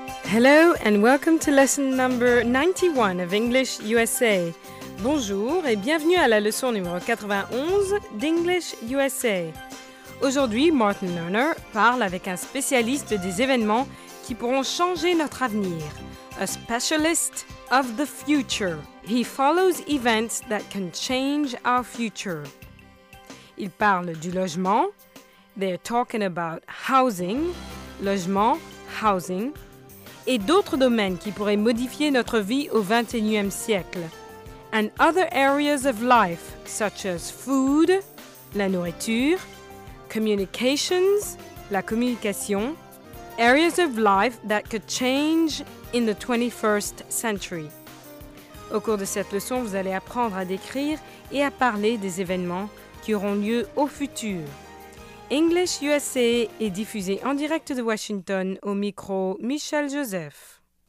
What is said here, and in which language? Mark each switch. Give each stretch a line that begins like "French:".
English: Hello and welcome to lesson number 91 of English USA.
French: Bonjour et bienvenue à la leçon numéro 91 d'English USA. Aujourd'hui, Martin Lerner parle avec un spécialiste des événements qui pourront changer notre avenir.
English: A specialist of the future. He follows events that can change our future.
French: Il parle du logement.
English: They're talking about housing.
French: Logement,
English: housing.
French: Et d'autres domaines qui pourraient modifier notre vie au 21e siècle.
English: And other areas of life, such as food,
French: la nourriture,
English: communications,
French: la communication,
English: areas of life that could change in the 21st century.
French: Au cours de cette leçon, vous allez apprendre à décrire et à parler des événements qui auront lieu au futur. English USA est diffusé en direct de Washington au micro Michel Joseph.